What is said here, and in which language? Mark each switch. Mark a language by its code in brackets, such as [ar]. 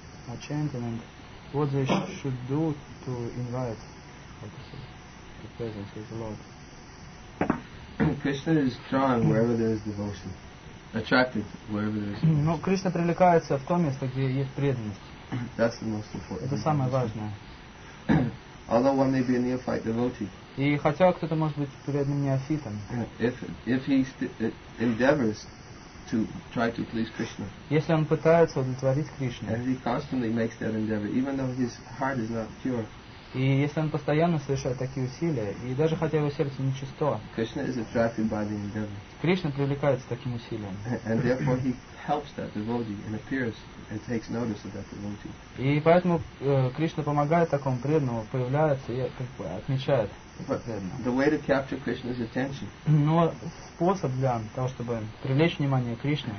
[en] Enchantment. What they should do to invite the presence of the Lord. Krishna is drawn wherever there is devotion. Attracted wherever there is devotion. [ru] No, Krishna привлекается в то место, где есть преданность. [en] That's the most important. [ru] Это самое важное. [en] Although one may be a neophyte devotee. [ru] И хотя кто-то может быть преданным неофитом. [en] If he endeavors to try to please Krishna. [ru] Если он пытается удовлетворить Кришну. [en] And he constantly makes that endeavor, even though his heart is not pure. [ru] И если он постоянно совершает такие усилия, и даже хотя его сердце не чисто, [en] Krishna is attracted by the endeavor. [ru] Кришна привлекается таким усилием. [en] And therefore he helps that devotee and appears and takes notice of that devotee. [ru] И поэтому Кришна помогает такому преданному, появляется и как бы отмечает. [en] But the way to capture Krishna's attention. [ru] Но способ для того, чтобы привлечь внимание Кришны,